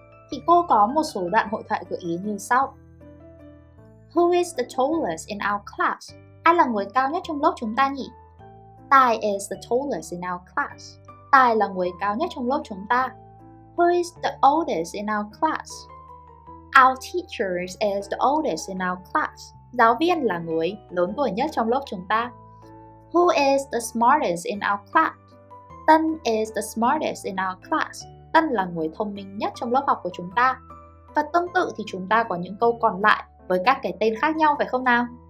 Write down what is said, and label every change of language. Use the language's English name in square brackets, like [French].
[Vietnamese] Thì cô có một số đoạn hội thoại gợi ý như sau. [English] Who is the tallest in our class? [Vietnamese] Ai là người cao nhất trong lớp chúng ta nhỉ? [English] Tài is the tallest in our class. [Vietnamese] Tài là người cao nhất trong lớp chúng ta. [English] Who is the oldest in our class? Our teacher is the oldest in our class. [Vietnamese] Giáo viên là người lớn tuổi nhất trong lớp chúng ta. [English] Who is the smartest in our class? Tân is the smartest in our class. [Vietnamese] Tân là người thông minh nhất trong lớp học của chúng ta. Và tương tự thì chúng ta có những câu còn lại với các cái tên khác nhau phải không nào?